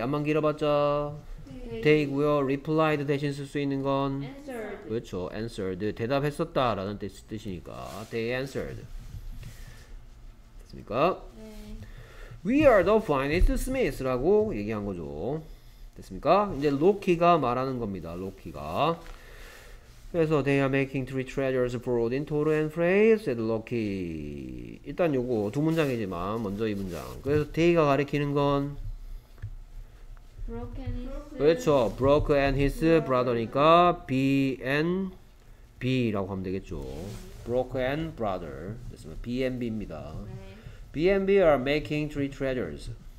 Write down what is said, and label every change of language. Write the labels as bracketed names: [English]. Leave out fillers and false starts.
[Korean] 앞만 길어봤자 they고요. replied 대신 쓸 수 있는 건 [English] answered. [Korean] 그렇죠. answered. 대답했었다 라는 뜻이니까 [English] they answered. [Korean] 됐습니까? 네. [English] We are the finest smiths [Korean] 라고 얘기한 거죠. 됐습니까? 이제 로키가 말하는 겁니다. 로키가. [English] 그래서 They are making three treasures for Odin, Thor and Frey said Loki. [Korean] 일단 요거 두 문장이지만 먼저 이 문장. 그래서 데이가 가리키는 건 그렇죠. [English] Brock and his brother [Korean] 니까 B and B라고 하면 되겠죠. [English] Brock and brother. B and B입니다. B and B are making three treasures.